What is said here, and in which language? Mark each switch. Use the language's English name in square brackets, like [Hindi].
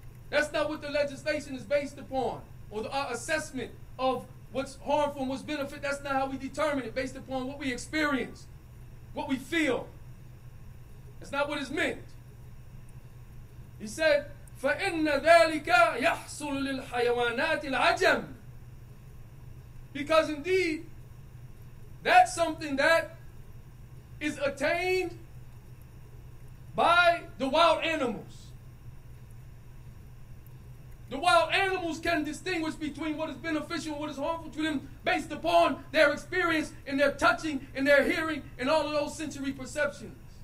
[English] That's not what the legislation is based upon, or our assessment of what's harmful and what's benefit. That's not how we determine it, based upon what we experience, what we feel. That's not what it's meant. He said, [Arabic] فَإِنَّ ذَلِكَ يَحْصُلُ لِلْحَيَوَانَاتِ الْعَجَمِ. [English] Because indeed, that's something that is attained by the wild animals. The wild animals can distinguish between what is beneficial and what is harmful to them based upon their experience and their touching and their hearing and all of those sensory perceptions.